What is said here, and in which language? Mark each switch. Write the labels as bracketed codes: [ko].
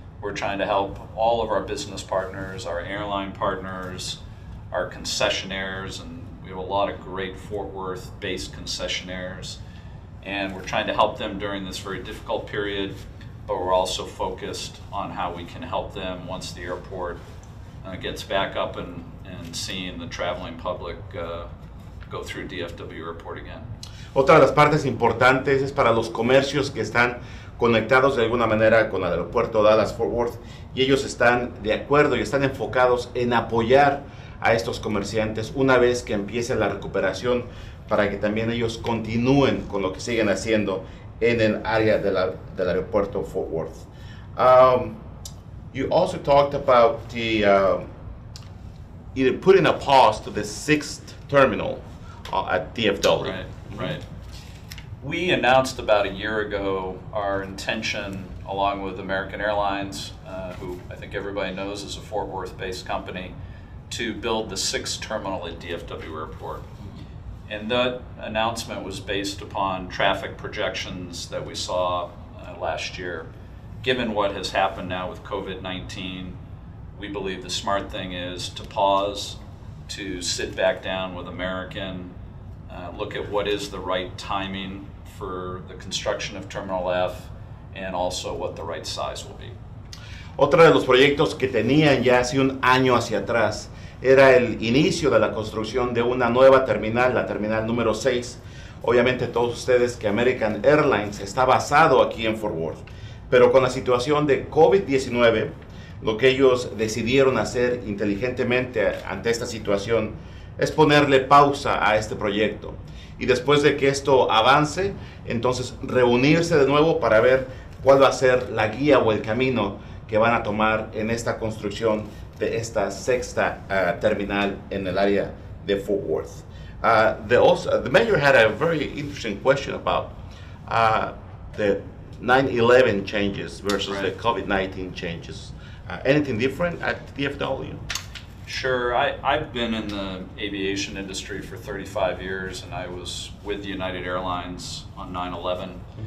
[en] We're trying to help all of our business partners, our airline partners, our concessionaires, and we have a lot of great Fort Worth-based concessionaires. And we're trying to help them during this very difficult period, but we're also focused on how we can help them once the airport gets back up and seeing the traveling public go through DFW airport again. [es] Otra de las partes importantes es para los comercios que están conectados de alguna manera con el aeropuerto Dallas-Fort Worth, y ellos están de acuerdo y están enfocados en apoyar a estos comerciantes una vez que empiece la recuperación para que también ellos continúen con lo que siguen haciendo en el área de la, del aeropuerto Fort Worth. [en] You also talked about the either putting a pause to the sixth terminal at DFW. Right. We announced about a year ago our intention, along with American Airlines, who I think everybody knows is a Fort Worth-based company, to build the sixth terminal at DFW Airport. And that announcement was based upon traffic projections that we saw last year. Given what has happened now with COVID-19, we believe the smart thing is to pause, to sit back down with American, look at what is the right timing for the construction of Terminal F, and also what the right size will be. [es] Otro de los proyectos que tenían ya hace un año hacia atrás era el inicio de la construcción de una nueva terminal, la terminal número 6. Obviamente todos ustedes que American Airlines está basado aquí en Fort Worth. Pero con la situación de COVID-19, lo que ellos decidieron hacer inteligentemente ante esta situación es ponerle pausa a este proyecto. Y después de que esto avance, entonces reunirse de nuevo para ver cuál va a ser la guía o el camino que van a tomar en esta construcción de esta sexta terminal en el área de Fort Worth. [en] The mayor had a very interesting question about the 9/11 changes versus right. The COVID-19 changes. Anything different at DFW? Sure. I've been in the aviation industry for 35 years, and I was with United Airlines on 9/11.